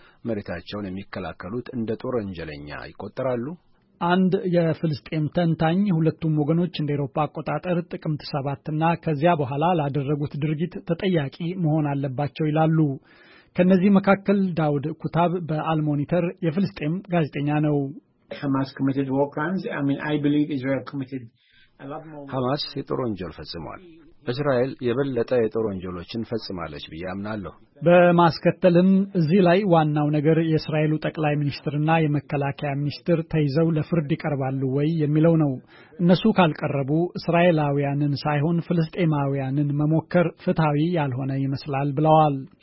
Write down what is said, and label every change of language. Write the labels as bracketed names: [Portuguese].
[Amharic] መሪታቸውን የሚከላከሉት እንደ ጦር ወንጀለኛ ይቆጠራሉ? አንድ የፍልስጤም ተንታኝ ሁለቱም ወገኖች እንደ አውሮፓ አቆጣጠር ጥቅምት 7 እና ከዚያ በኋላ ላደረጉት ድርጊት ተጠያቂ መሆን አለባቸው ይላሉ። ከነዚህ መካከል ዳውድ ኩታብ በአልሞኒተር የፍልስጤም ጋዜጠኛ ነው። [English] ሐማስ committed war crimes. I mean, I believe Israel committed [Amharic] ሐማስ የጦር ወንጀል ፈጽሟል። እስራኤል የበለጠ የጦር ወንጀሎችን ፈጽማለች ብያምናለሁ። በማስከተልም እዚህ ላይ ዋናው ነገር የእስራኤሉ ጠቅላይ ሚኒስትርና የመከላከያ ሚኒስትር ተይዘው ለፍርድ ይቀርባሉ ወይ የሚለው ነው። እነሱ ካልቀረቡ እስራኤላውያንን ሳይሆን ፍልስጤማውያንን መሞከር ፍትሃዊ ያልሆነ ይመስላል ብለዋል።